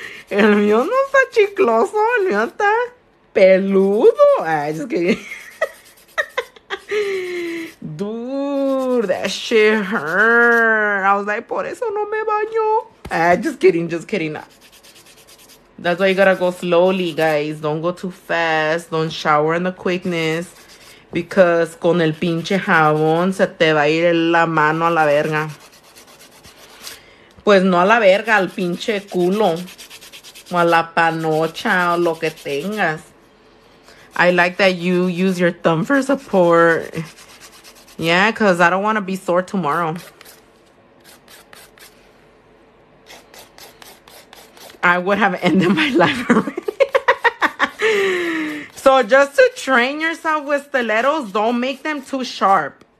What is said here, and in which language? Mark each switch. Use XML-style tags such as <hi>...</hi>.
<es>El mío no está chicloso. El mío está peludo. Ay,</es> <en>just kidding. Dude. Dude, that shit hurt. I was like,</en> <es>por eso no me baño.</es> <en>Just kidding. That's why you gotta go slowly, guys. Don't go too fast. Don't shower in the quickness. Because</en> <es>con el pinche jabón se te va a ir la mano a la verga. Pues no a la verga, al pinche culo. O a la panocha o lo que tengas.</es> <en>I like that you use your thumb for support. Yeah, because I don't want to be sore tomorrow. I would have ended my life already. So just to train yourself with stilettos, don't make them too sharp.</en>